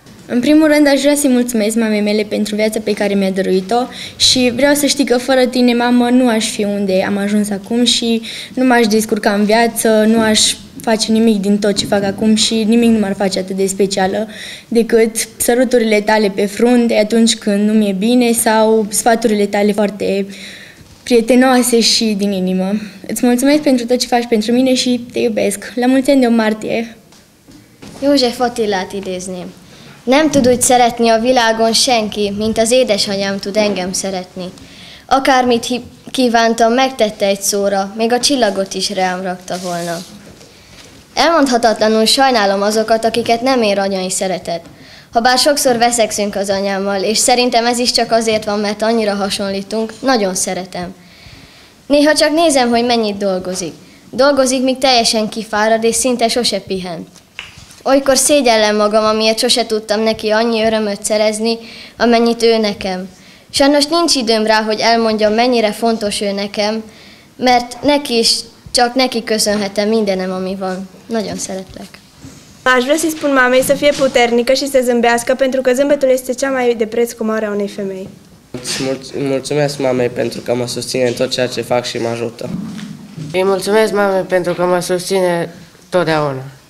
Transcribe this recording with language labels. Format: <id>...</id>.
<ro>În primul rând, aș vrea să-i mulțumesc mamei mele pentru viața pe care mi-a dăruit-o și vreau să știi că fără tine, mamă, nu aș fi unde am ajuns acum și nu m-aș descurca în viață, nu aș face nimic din tot ce fac acum și nimic nu m-ar face atât de specială decât săruturile tale pe frunte atunci când nu mi-e bine sau sfaturile tale foarte prietenoase și din inimă. Îți mulțumesc pentru tot ce faci pentru mine și te iubesc. La mulți ani de 1 martie! Eu se foti la tidezni.</ro> <hu>Nem tudod szeretni a világon senki, mint az édesanyám tud engem szeretni. Akármit kívántam, megtette egy szóra, még a csillagot is rám rakta volna. Elmondhatatlanul sajnálom azokat, akiket nem ér anyai szeretet. Habár sokszor veszekszünk az anyámmal, és szerintem ez is csak azért van, mert annyira hasonlítunk, nagyon szeretem. Néha csak nézem, hogy mennyit dolgozik. Dolgozik, míg teljesen kifárad, és szinte sose pihen. Olykor szégyellem magam, amiért sose tudtam neki annyi örömöt szerezni, amennyit ő nekem. Sajnos nincs időm rá, hogy elmondjam, mennyire fontos ő nekem, mert neki is, csak neki köszönhetem mindenem, ami van. Nagyon szeretlek.</hu> <ro>Aș vrea să-i spun mamei să fie puternică și să zâmbească, pentru că zâmbetul este cea mai de preț comoară a unei femei. Mulțumesc mamei pentru că mă susține în tot ceea ce fac și mă ajută. Îi mulțumesc mamei pentru că mă susține totdeauna.</ro>